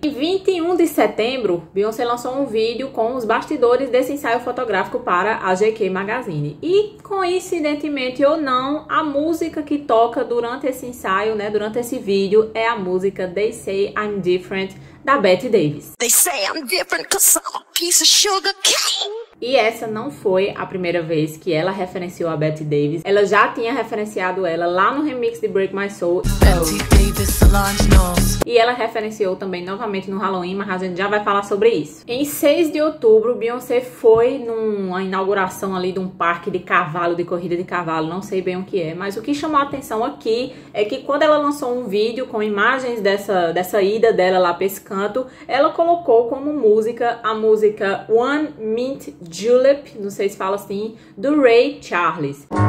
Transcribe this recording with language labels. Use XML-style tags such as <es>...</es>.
<pt>Em 21 de setembro, Beyoncé lançou um vídeo com os bastidores desse ensaio fotográfico para a GQ Magazine. E, coincidentemente ou não, a música que toca durante esse ensaio, né, durante esse vídeo, é a música They Say I'm Different, da Bette Davis.</pt> <en>They say I'm different 'cause I'm a piece of sugar cane.</en> <pt>E essa não foi a primeira vez que ela referenciou a Bette Davis. Ela já tinha referenciado ela lá no remix de Break My Soul. Bette Davis, Solange Knowles. E ela referenciou também novamente no Halloween, mas a gente já vai falar sobre isso. Em 6 de outubro, Beyoncé foi numa inauguração ali de um parque de cavalo, de corrida de cavalo, não sei bem o que é, mas o que chamou a atenção aqui é que quando ela lançou um vídeo com imagens dessa ida dela lá pra esse canto, ela colocou como música a música One Mint Julep, não sei se fala assim, do Ray Charles.</pt>